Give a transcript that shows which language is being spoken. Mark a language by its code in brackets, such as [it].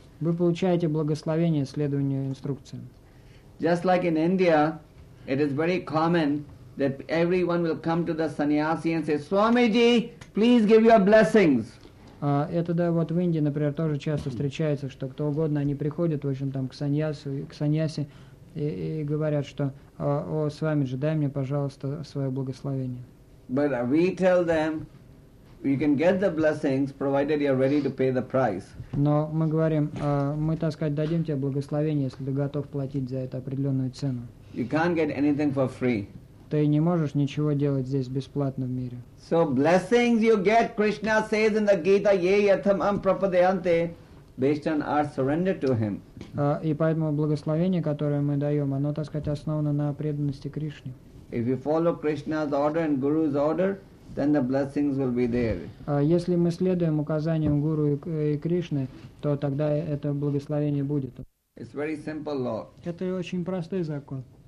[ru] Вы получаете благословение следованию инструкциям. [en] Just like in India, it is very common that everyone will come to the sannyasi and say, Swamiji, please give your blessings. [ru] Это да, вот в Индии, например, тоже часто встречается, что кто угодно, они приходят, в общем, там, к саньясе и говорят, что, о, Свамиджи, дай мне, пожалуйста, свое благословение. [en] But we tell them, you can get the blessings, provided you are ready to pay the price. [ru] Но мы говорим, мы, так сказать, дадим тебе благословение, если ты готов платить за это определенную цену. [en] You can't get anything for free. [ru] Ты не можешь ничего делать здесь бесплатно в мире. [en] So blessings you get, Krishna says in the Gita, [sa] ye yathamam prapadayante, [en] based on our surrender to him. [ru] И поэтому благословение, которое мы даем, оно, так сказать, основано на преданности Кришне. [en] If you follow Krishna's order and Guru's order, then the blessings will be there. [ru] Если мы следуем указаниям Гуру и Кришны, то тогда это благословение будет. [en] It's very simple law. [ru] Это очень простой закон.